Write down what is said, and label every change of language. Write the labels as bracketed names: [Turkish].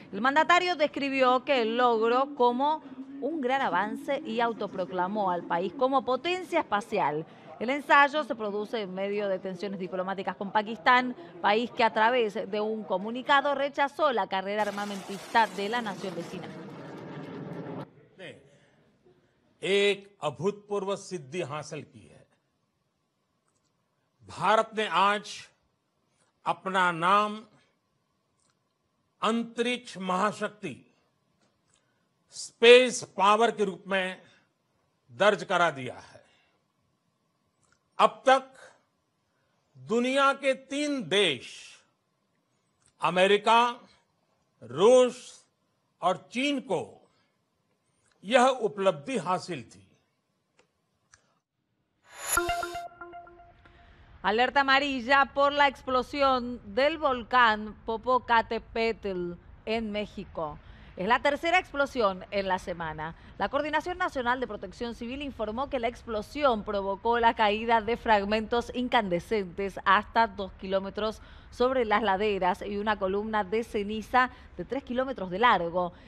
[Spanish] El mandatario describió que el logro como un gran avance y autoproclamó al país como potencia espacial. El ensayo se produce en medio de tensiones diplomáticas con Pakistán, país que a través de un comunicado rechazó la carrera armamentista de la nación vecina. [Hindi] एक अभूतपूर्व सिद्धि हासिल की है भारत ने आज अपना नाम अंतरिक्ष महाशक्ति स्पेस पावर के रूप में दर्ज करा दिया है अब तक दुनिया के तीन देश अमेरिका रूस और चीन को यह उपलब्धि हासिल थी [Spanish] Alerta amarilla por la explosión del volcán Popocatépetl en México. Es la tercera explosión en la semana. La Coordinación Nacional de Protección Civil informó que la explosión provocó la caída de fragmentos incandescentes hasta 2 kilómetros sobre las laderas y una columna de ceniza de 3 kilómetros de largo.